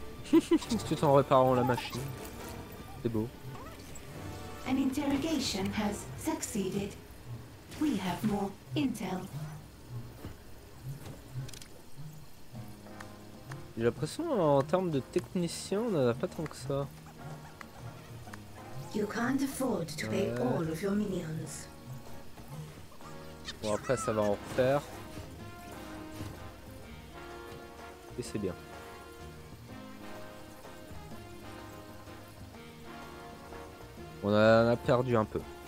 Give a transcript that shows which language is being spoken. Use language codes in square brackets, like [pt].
[fr] Tout en réparant la machine, c'est beau. [en] An interrogation has succeeded. We have more intel. [fr] J'ai l'impression en termes de technicien on en a pas tant que ça. [en] You can't afford to pay all of your minions. [fr] Bon, après ça va en refaire. Et c'est bien. On en a perdu un peu.